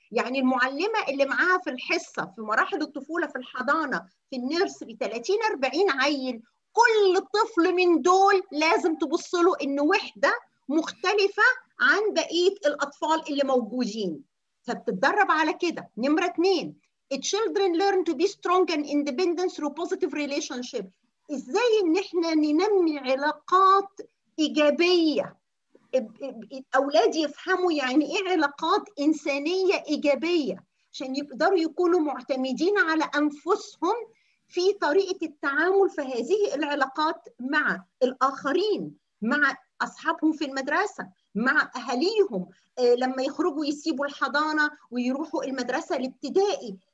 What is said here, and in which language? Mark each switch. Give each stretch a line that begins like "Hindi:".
Arabic: يعني المعلمة اللي معاها في الحصة في مراحل الطفولة في الحضانة في النيرس ب 30-40 عيل، كل طفل من دول لازم تبص له إن وحدة مختلفة عن بقية الأطفال اللي موجودين. فبتتدرب على كده. نمرة 2،
English: children learn to be strong and independent through positive relationship.
Arabic: إزاي إن إحنا ننمي علاقات إيجابية؟ أولادي يفهموا يعني إيه علاقات إنسانية إيجابية، عشان يقدروا يكونوا معتمدين على أنفسهم في طريقة التعامل في هذه العلاقات مع الآخرين، مع أصحابهم في المدرسة، مع أهليهم لما يخرجوا يسيبوا الحضانة ويروحوا المدرسة الابتدائي.